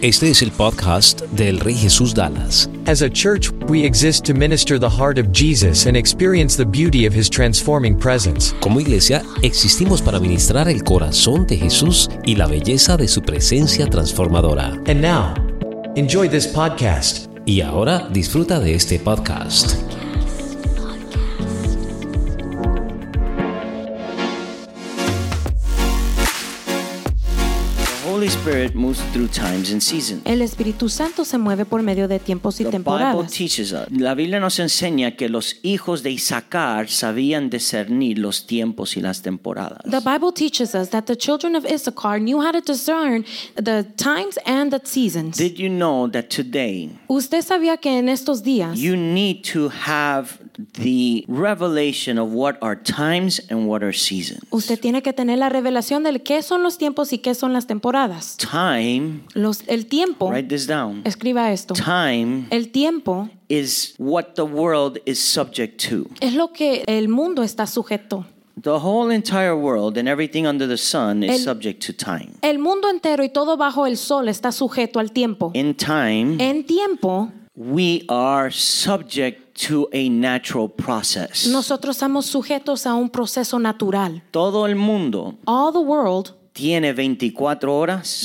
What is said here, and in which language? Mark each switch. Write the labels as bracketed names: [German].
[Spanish] Este es el podcast del Rey Jesús Dallas. [English] As a church, we exist to minister the heart of Jesus and experience the beauty of His transforming presence. [Spanish] Como iglesia, existimos para ministrar el corazón de Jesús y la belleza de su presencia transformadora. [English] And now, enjoy this podcast. [Spanish] Y ahora, disfruta de este podcast. [English] Holy Spirit moves through times and seasons. [Spanish] El Espíritu Santo se mueve por medio de tiempos y temporadas. [English] The Bible teaches us. [Spanish] La Biblia nos enseña que los hijos de Issachar sabían discernir los tiempos y las temporadas. [English] The Bible teaches us that the children of Issachar knew how to discern the times and the seasons. Did you know that today? [Spanish] ¿Usted sabía que en estos días? [English] You need to have the revelation of what are times and what are seasons. [Spanish] Usted tiene que tener la revelación de qué son los tiempos y qué son las temporadas. [English] Time. [Spanish] El tiempo. [English] Write this down. [Spanish] Escriba esto. [English] Time. [Spanish] El tiempo. [English] Is what the world is subject to. [Spanish] Es lo que el mundo está sujeto. [English] The whole entire world and everything under the sun is subject to time. [Spanish] El mundo entero y todo bajo el sol está sujeto al tiempo. [English] In time. [Spanish] En tiempo. [English] We are subject to a natural process. [Spanish] Nosotros estamos sujetos a un proceso natural. Todo el mundo. [English] All the world. [Spanish] Tiene 24 horas.